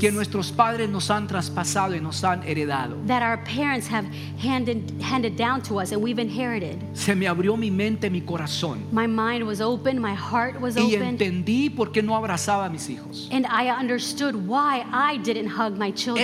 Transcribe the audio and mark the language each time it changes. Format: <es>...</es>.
<es>Que nuestros padres nos han traspasado y nos han heredado.</es> <en>That our parents have handed down to us and we've inherited.</en> <es>Se me abrió mi mente, mi corazón.</es> <en>My mind was open, my heart was open.</en> <es>Y entendí por qué no abrazaba a mis hijos.</es> <en>And I understood why I didn't hug my children.</en>